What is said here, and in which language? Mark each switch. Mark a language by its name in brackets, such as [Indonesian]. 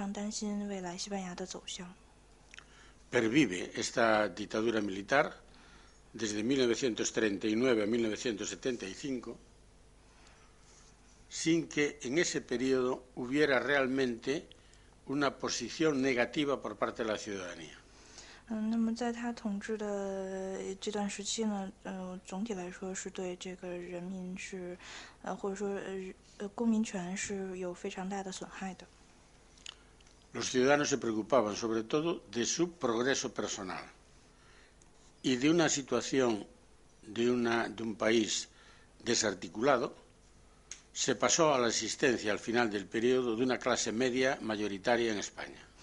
[Chinese] 当时由于这个弗朗哥引起的这个内战呢，有了国家有很大的伤亡，所以当时的民众都非常担心未来西班牙的走向。 [Spanish] Pervive esta dictadura militar desde 1939 a 1975 sin que en ese periodo hubiera realmente una posición negativa por parte de la ciudadanía. [Chinese] 那么在他统治的这段时期呢，总体来说是对这个人民是，或者说公民权是有非常大的损害的。 [Spanish] Los ciudadanos se preocupaban sobre todo de su progreso personal y de una situación de un país desarticulado. Se pasó a la existencia al final del periodo de una clase media mayoritaria en España.